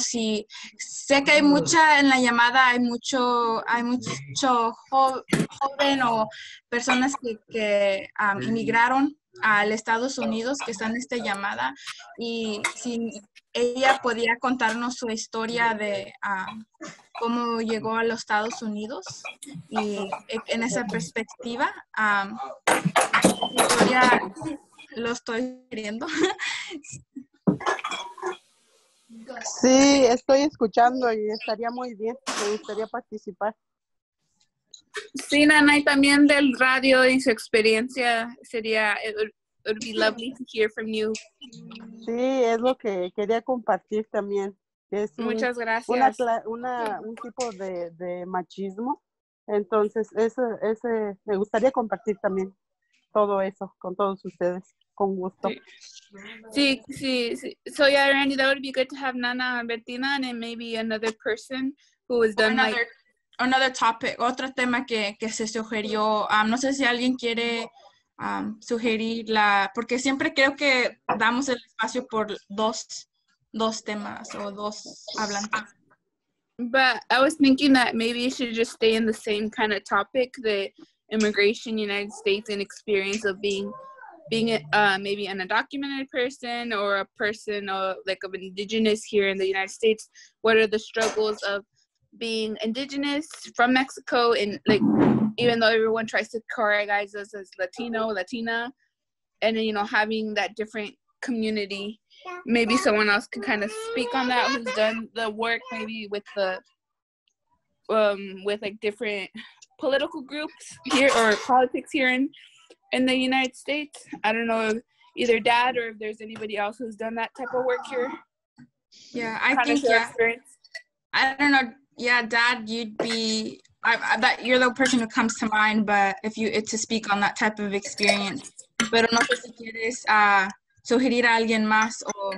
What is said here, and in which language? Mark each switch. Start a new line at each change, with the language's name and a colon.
Spanish: Si sé que hay mucha en la llamada, hay mucho joven o personas que emigraron al Estados Unidos que están en esta llamada, y si ella podía contarnos su historia de cómo llegó a los Estados Unidos y en esa perspectiva, historia, lo estoy queriendo. Sí, estoy escuchando y estaría muy bien, me gustaría participar. Sí, Nana, y también del radio y su experiencia sería...
English: It would be lovely to hear from you.
Spanish: Sí, es lo que quería compartir también. Es muchas gracias. Un tipo de machismo. Entonces, ese me gustaría compartir también todo eso con todos ustedes, con gusto. Sí.
English: So, yeah, Randy, that would be good to have Nana Bettina and maybe another person who has done another topic,
Spanish: otro tema que se sugirió. No sé si alguien quiere... sugerirla, porque siempre creo que damos el espacio por dos temas o dos hablantes.
English: But I was thinking that maybe you should just stay in the same kind of topic, the immigration United States and experience of being maybe an undocumented person or a person of an indigenous here in the United States. What are the struggles of being indigenous from Mexico in even though everyone tries to categorize us as Latino, Latina, and then, you know, having that different community, maybe someone else can kind of speak on that who's done the work maybe with the, with like different political groups here or politics here in the United States. I don't know if either Dad or if there's anybody else who's done that type of work here. Experience. I don't know. Yeah, Dad, you'd be... that you're the person who comes to mind, but if you to speak on that type of experience.
Spanish: Pero no sé si quieres sugerir a alguien más o